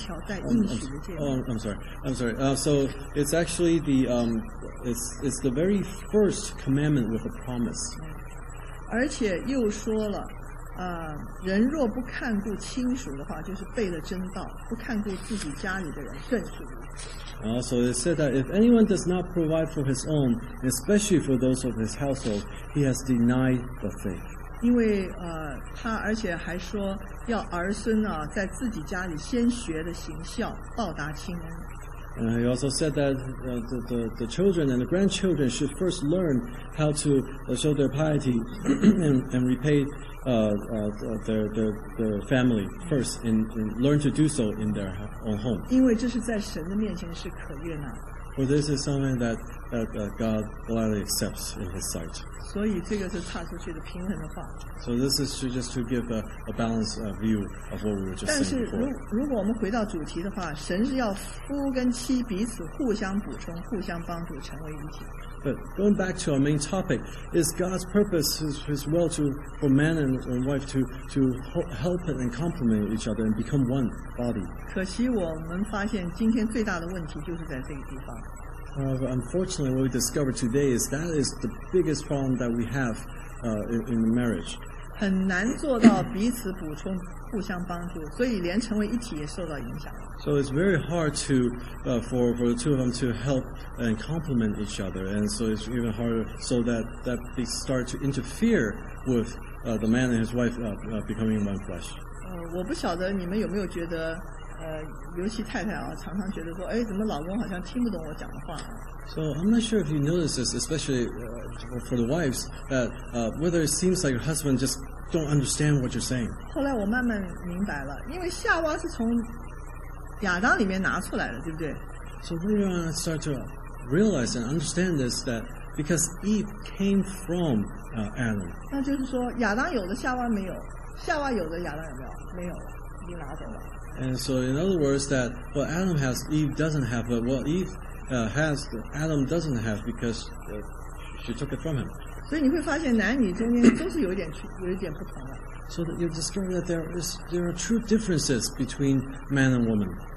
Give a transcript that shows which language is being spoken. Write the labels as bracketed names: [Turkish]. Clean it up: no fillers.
[English] So it's actually the it's the very first commandment with a promise. [Chinese] 而且又说了，人若不看顾亲属的话，就是背了真道；不看顾自己家里的人，更是如此。 [English] Also, it said that if anyone does not provide for his own, especially for those of his household, he has denied the faith. [Chinese] 因为他而且还说要儿孙啊，在自己家里先学的行孝，报答亲恩。 [English] And he also said that the children and the grandchildren should first learn how to show their piety and repay their family first and learn to do so in their own home. [Chinese] 因为这是在神的面前是可悦纳。 [English] For this is something that God gladly accepts in his sight. [Chinese] 所以这个是岔出去的平衡的话。 [English] So this is just to give a balanced view of what we were just saying before. [Chinese] 但是如果我们回到主题的话，神是要夫跟妻彼此互相补充、互相帮助，成为一体。 [English] But going back to our main topic, is God's purpose his will to for man and wife to help and complement each other and become one body? [Chinese] 可惜我们发现今天最大的问题就是在这个地方。 [English] However, unfortunately, what we discovered today is that is the biggest problem that we have in marriage. [Chinese] 很难做到彼此补充互相帮助所以连成为一体也受到影响 [English] So it's very hard to, for the two of them to help and complement each other and so it's even harder so that, that they start to interfere with the man and his wife becoming one flesh [Chinese] 我不晓得你们有没有觉得尤其太太啊常常觉得说哎怎么老公好像听不懂我讲的话啊 [English] So I'm not sure if you notice this, especially for the wives, that whether it seems like your husband just don't understand what you're saying. [Chinese] 后来我慢慢明白了因为夏娃是从亚当里面拿出来的对不对 [English] So later on I start to realize and understand this, that because Eve came from Adam. [Chinese] 那就是说亚当有的夏娃没有夏娃有的亚当有没有没有了已经拿走了 [English] And so in other words, that what Adam has, Eve doesn't have, but what Eve has, Adam doesn't have because she took it from him. So you will find that men and women are a little different. So that you'll discover that there, is, there are true differences between man and woman.